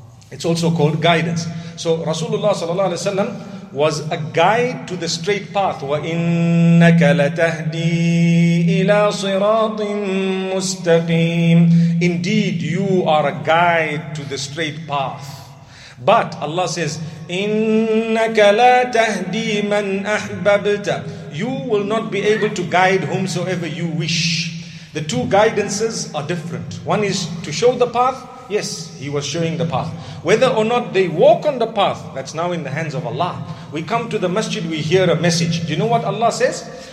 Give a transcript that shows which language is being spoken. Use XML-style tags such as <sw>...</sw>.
<en>It's also called guidance. So Rasulullah sallallahu alayhi wa sallam was a guide to the straight path.</en> <ar>وَإِنَّكَ لَتَهْدِي إِلَىٰ صِرَاطٍ مُسْتَقِيمٍ.</ar> <en>Indeed, you are a guide to the straight path. But Allah says,</en> <ar>إِنَّكَ لَا تَهْدِي مَنْ أَحْبَبْتَ.</ar> <en>You will not be able to guide whomsoever you wish. The two guidances are different. One is to show the path. Yes, He was showing the path. Whether or not they walk on the path, that's now in the hands of Allah. We come to the masjid, we hear a message. Do you know what Allah says?</en>